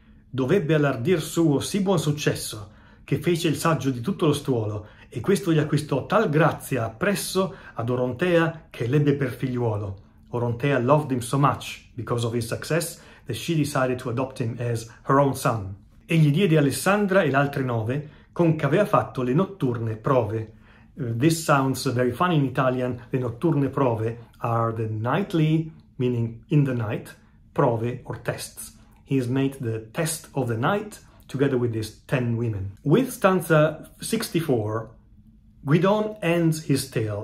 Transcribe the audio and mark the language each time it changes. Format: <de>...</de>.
<it>Dovebbe all'ardir suo sì buon successo, che fece il saggio di tutto lo stuolo, e questo gli acquistò tal grazia appresso ad Orontea che l'ebbe per figliuolo.</it> <en>Orontea loved him so much because of his success that she decided to adopt him as her own son.</en> <it>Egli diede Alessandra e l'altre 9 con che aveva fatto le notturne prove.</it> <en>This sounds very funny in Italian.</en> <it>Le notturne prove</it> <en>are the nightly, meaning in the night, prove or tests. He has made the test of the night together with these 10 women. With stanza 64, Guidon ends his tale.</en>